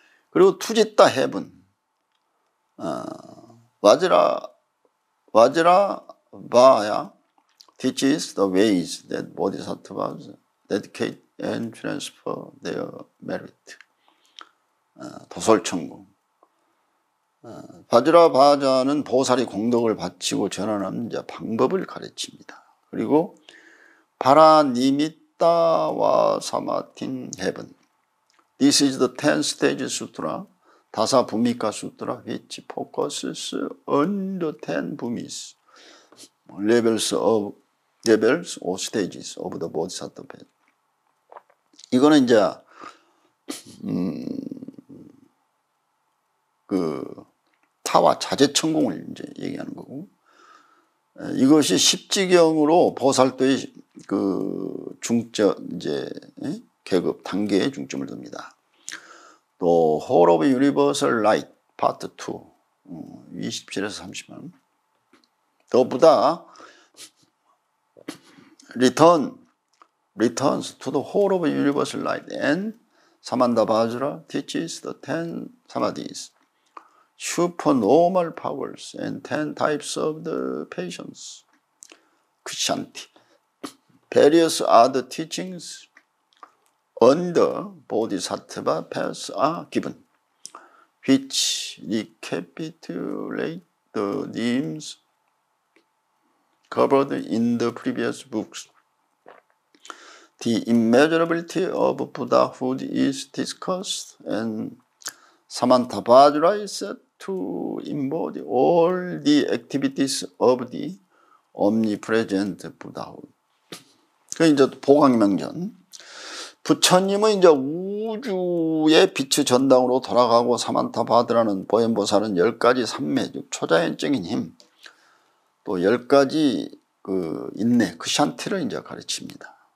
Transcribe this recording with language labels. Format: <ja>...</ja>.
<en>그리고 투짓다 헤븐, 와즈라바야 teaches the ways that bodhisattvas dedicate and transfer their merit. 도솔천궁.</en> <ko>바즈라바자는 보살이 공덕을 바치고 전하는 방법을 가르칩니다. 그리고 바라니미따와 사마틴 헤븐.</ko> <en>This is the 10 stage sutra, 다사 부미카 sutra, which focuses on the 10 bhumis, levels or stages of the bodhisattva path.</en> <ko>이거는 이제, 그, 타와 자제천공을 이제 얘기하는 거고, 이것이 십지경으로 보살도의 그 중점, 이제, 계급, 단계에 중점을 둡니다.</ko> <en>또 Hall of Universal Light Part 2 27에서 30만 The Buddha returns to the Hall of Universal Light and Samanda Vajra teaches the 10 Samadhis Supernormal Powers and 10 Types of the Patience Kshanti Various other teachings On the Bodhisattva paths are given, which recapitulate the themes covered in the previous books. The immeasurability of Buddhahood is discussed, and Samantabhadra is said to embody all the activities of the omnipresent Buddhahood.</en> <ko>그러니까 이제 보광명전. 부처님은 이제 우주의 빛의 전당으로 돌아가고 사만타바드라는 보현보살은 열 가지 삼매, 즉 초자연적인 힘, 또 열 가지 그 인내, 크샨티를 이제 가르칩니다.</ko>